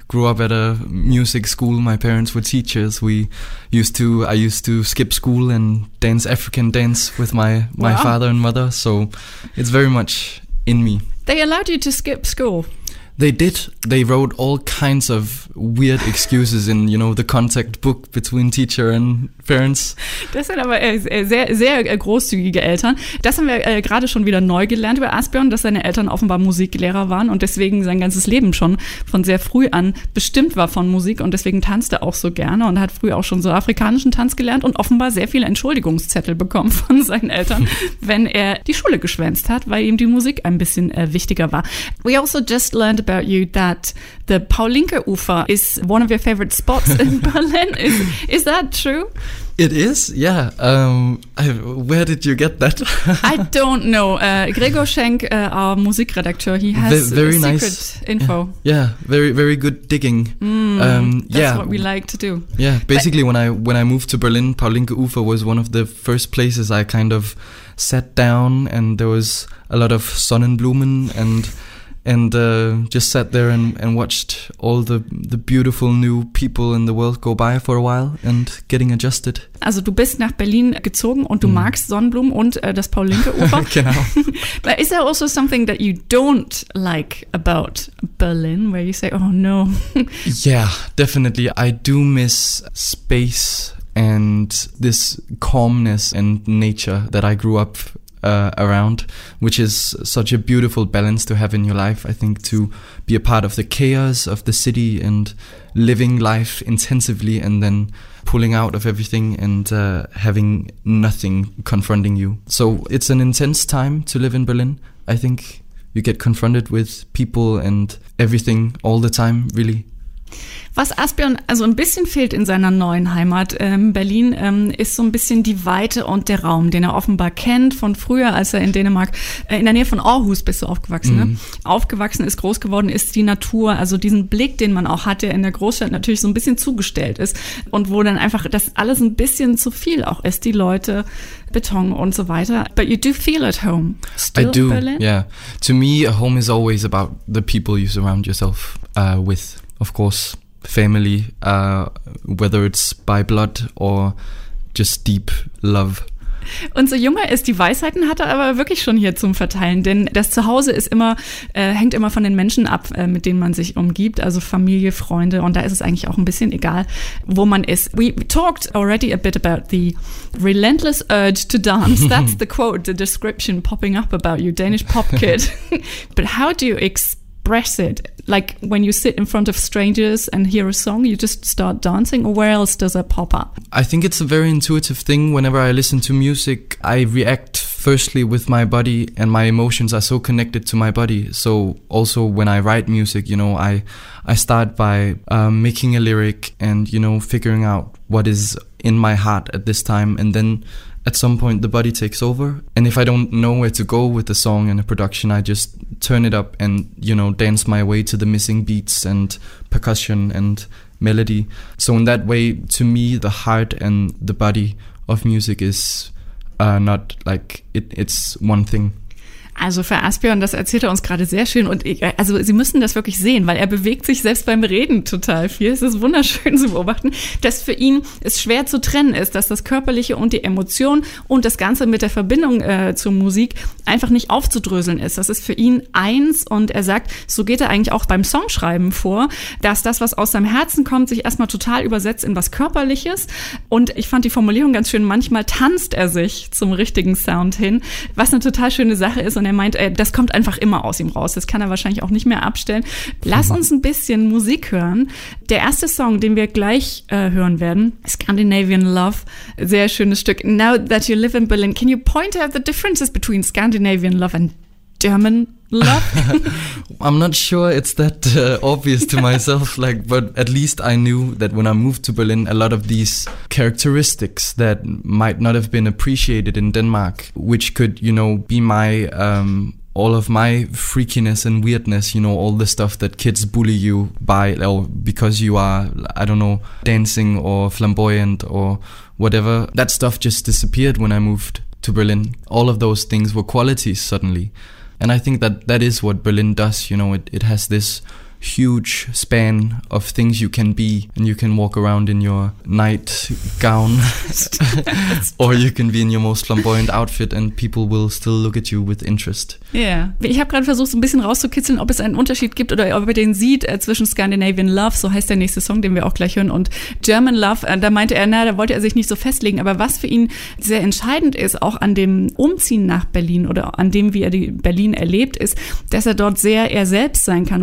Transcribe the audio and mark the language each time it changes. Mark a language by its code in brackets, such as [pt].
[en] Grew up at a music school. My parents were teachers. I used to skip school and dance African dance with my wow. father and mother, so it's very much in me. They allowed you to skip school? They did. They wrote all kinds of weird excuses in, you know, the contact book between teacher and parents. [de] Das sind aber sehr, sehr großzügige Eltern. Das haben wir gerade schon wieder neu gelernt über Asbjørn, dass seine Eltern offenbar Musiklehrer waren und deswegen sein ganzes Leben schon von sehr früh an bestimmt war von Musik und deswegen tanzte auch so gerne und hat früh auch schon so afrikanischen Tanz gelernt und offenbar sehr viele Entschuldigungszettel bekommen von seinen Eltern, wenn er die Schule geschwänzt hat, weil ihm die Musik ein bisschen wichtiger war. [en] We also just learned about you that the Paul-Linke-Ufer is one of your favorite spots in Berlin. Is that true? It is, yeah. Where did you get that? I don't know. Gregor Schenk, our Musikredakteur, he has very secret nice. Info. Yeah, very, very good digging. That's yeah. what we like to do. Yeah, basically when I moved to Berlin, Paul-Linke-Ufer was one of the first places I kind of sat down and there was a lot of Sonnenblumen and just sat there and watched all the beautiful new people in the world go by for a while and getting adjusted. [de] Also du bist nach Berlin gezogen und du magst Sonnenblumen und das Paul-Linke-Ufer. Genau. [en] But is there also something that you don't like about Berlin, where you say, oh no? Yeah, definitely. I do miss space and this calmness and nature that I grew up around, which is such a beautiful balance to have in your life. I think to be a part of the chaos of the city and living life intensively and then pulling out of everything and having nothing confronting you. So it's an intense time to live in Berlin. I think you get confronted with people and everything all the time, really. [de] Was Asbjørn also ein bisschen fehlt in seiner neuen Heimat Berlin, ist so ein bisschen die Weite und der Raum, den er offenbar kennt von früher, als er in Dänemark, in der Nähe von Aarhus bist du aufgewachsen, ne? Aufgewachsen ist, groß geworden ist, die Natur, also diesen Blick, den man auch hat, der in der Großstadt natürlich so ein bisschen zugestellt ist und wo dann einfach das alles ein bisschen zu viel auch ist, die Leute, Beton und so weiter. [en] But you do feel at home still in Berlin? I do, yeah. To me, a home is always about the people you surround yourself with. Of course, family, whether it's by blood or just deep love. [de] Und so jung er ist, die Weisheiten hat er aber wirklich schon hier zum Verteilen, denn das Zuhause ist immer, hängt immer von den Menschen ab, mit denen man sich umgibt, also Familie, Freunde, und da ist es eigentlich auch ein bisschen egal, wo man ist. [en] We talked already a bit about the relentless urge to dance. That's the quote, the description popping up about you, Danish pop kid. But how do you express it? Like when you sit in front of strangers and hear a song, you just start dancing, or where else does that pop up? I think it's a very intuitive thing. Whenever I listen to music, I react firstly with my body, and my emotions are so connected to my body. So also when I write music, you know, I start by making a lyric and, you know, figuring out what is in my heart at this time, and then at some point the body takes over. And if I don't know where to go with the song and a production, I just turn it up and, you know, dance my way to the missing beats and percussion and melody. So in that way, to me, the heart and the body of music is not like it's one thing. [de] Also für Asbjørn, das erzählt er uns gerade sehr schön, und also Sie müssen das wirklich sehen, weil er bewegt sich selbst beim Reden total viel. Es ist wunderschön zu beobachten, dass für ihn es schwer zu trennen ist, dass das Körperliche und die Emotion und das Ganze mit der Verbindung zur Musik einfach nicht aufzudröseln ist. Das ist für ihn eins, und er sagt, so geht er eigentlich auch beim Songschreiben vor, dass das, was aus seinem Herzen kommt, sich erstmal total übersetzt in was Körperliches. Und ich fand die Formulierung ganz schön, manchmal tanzt er sich zum richtigen Sound hin, was eine total schöne Sache ist. Und er meint, das kommt einfach immer aus ihm raus. Das kann er wahrscheinlich auch nicht mehr abstellen. Lass uns ein bisschen Musik hören. Der erste Song, den wir gleich hören werden, Scandinavian Love. Sehr schönes Stück. [en] Now that you live in Berlin, can you point out the differences between Scandinavian Love and German Love? I'm not sure it's that obvious to myself. Like, but at least I knew that when I moved to Berlin, a lot of these characteristics that might not have been appreciated in Denmark, which could, you know, be my all of my freakiness and weirdness, you know, all the stuff that kids bully you by, or because you are, I don't know, dancing or flamboyant or whatever. That stuff just disappeared when I moved to Berlin. All of those things were qualities suddenly. And I think that is what Berlin does, you know, it has this huge span of things you can be, and you can walk around in your nightgown or you can be in your most flamboyant outfit and people will still look at you with interest. [de] Ja, yeah. Ich habe gerade versucht, so ein bisschen rauszukitzeln, ob es einen Unterschied gibt oder ob er den sieht zwischen Scandinavian Love, so heißt der nächste Song, den wir auch gleich hören, und German Love. Da meinte er, da wollte er sich nicht so festlegen. Aber was für ihn sehr entscheidend ist, auch an dem Umziehen nach Berlin oder an dem, wie er Berlin erlebt, ist, dass er dort sehr er selbst sein kann.